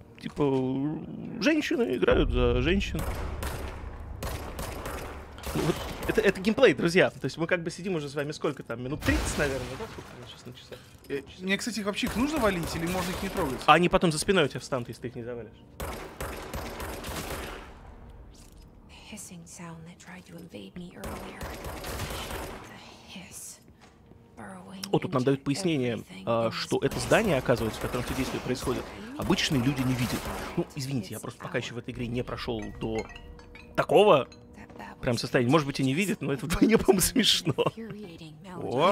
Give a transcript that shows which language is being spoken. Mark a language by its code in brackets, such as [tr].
[ru] Типа, женщины играют за женщин. Вот это геймплей, друзья. То есть мы как бы сидим уже с вами сколько там? Минут 30, наверное, да? Сейчас на часах. Мне, кстати, их вообще их нужно валить или можно их не трогать? А они потом за спиной у тебя встанут, если ты их не завалишь. [en] Hissing sound that tried to invade me earlier. The hiss. [ru] О, тут нам дают пояснение, что это здание, оказывается, в котором все действия происходят, обычные люди не видят. Ну, извините, я просто пока еще в этой игре не прошел до такого прям состояния. Может быть, и не видят, но это вдвойне, по-моему, смешно. О,